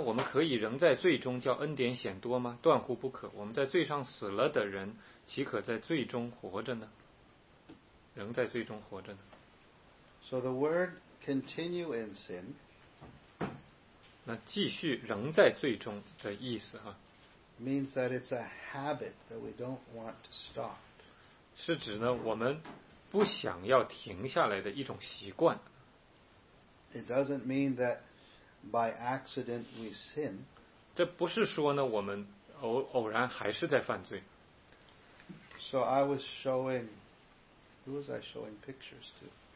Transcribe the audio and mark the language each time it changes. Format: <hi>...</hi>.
<zh>我们可以仍在罪中叫恩典显多吗？断乎不可。我们在罪上死了的人，岂可在罪中活着呢？仍在罪中活着呢？</zh> <en>So the word continue in sin...</en> <zh>那继续仍在最终的意思哈</zh> <en>，means that it's a habit that we don't want to stop，</en> <zh>是指呢我们不想要停下来的一种习惯。</zh> <en>It doesn't mean that by accident we sin，</en> <zh>这不是说呢我们偶然还是在犯罪。</zh> <en>So I was showing， who was I showing pictures to？</en>